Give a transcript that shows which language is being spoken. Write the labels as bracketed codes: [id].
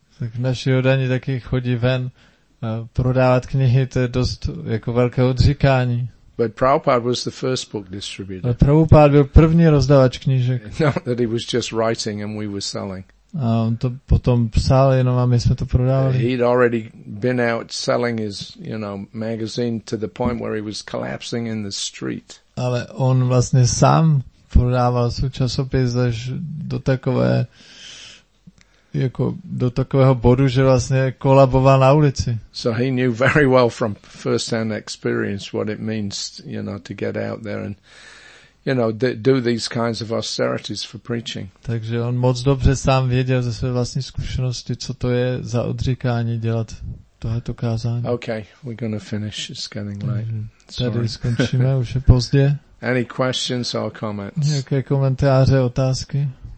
[cs] Tak naši odaní taky chodí ven prodávat knihy, to je dost jako velké odříkání. [en] But Prabhupada was the first book distributor. [cs] Ale Prabhupada byl první rozdavač knížek. [en] Not that he was just writing and we were selling. [cs] A on to potom psal, jenom a my jsme to prodávali. [en] He'd already been out selling his, you know, magazine to the point where he was collapsing in the street. [cs] Ale on vlastně sám prodával svůj časopis až do takové, jako do takového bodu, že vlastně kolaboval na ulici. [en] So he knew very well from first-hand experience what it means, you know, to get out there and, you know, do these kinds of austerities for preaching. [cs] Takže on moc dobře sám věděl ze své vlastní zkušenosti, co to je za odříkání dělat tohleto kázání. [en] Okay, we're going to finish. It's getting late. [cs] Tady skončíme, už je pozdě. [en] Any questions or comments? [cs] Nějaké komentáře, otázky?